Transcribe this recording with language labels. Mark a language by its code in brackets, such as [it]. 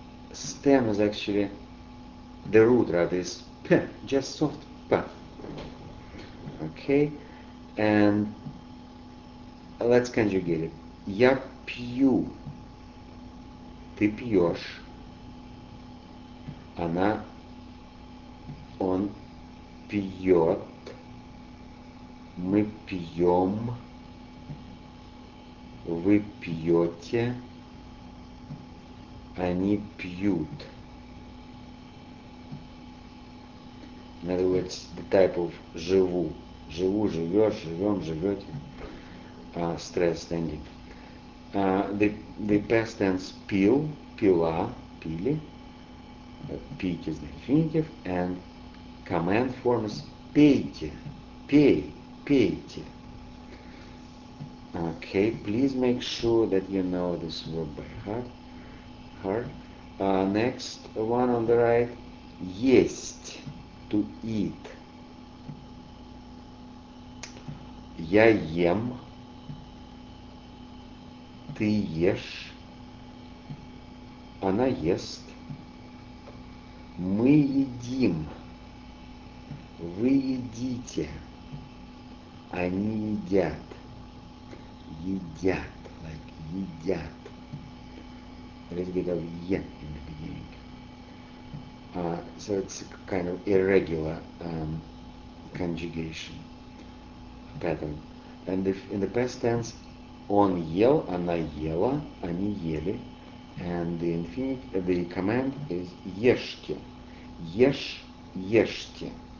[en] The stem is actually, the root rather is p, just soft p. Okay, and let's conjugate it. [ru] Я пью, ты пьешь, она, он пьет, мы пьем, вы пьете, они пьют. [en] In other words, the type of живу. [ru] Живу, живешь, живем, живете. [en] Stress ending. The past tense [ru] пил, пила, пили. [en] Пить is the infinitive. And command form is [ru] пейте, пей, пейте. [en] Okay, please make sure that you know this word by heart. Next one on the right, есть, to eat. [ru] Я ем, ты ешь, она ест, мы едим, вы едите, они едят, едят, like едят. [en] Let's get a yen in the beginning. So it's a kind of irregular conjugation pattern. And if in the past tense, [ru] он ел, она ела, они ели, [en] and the infinitive, the command is [ru] ешьте, ешь, ешьте.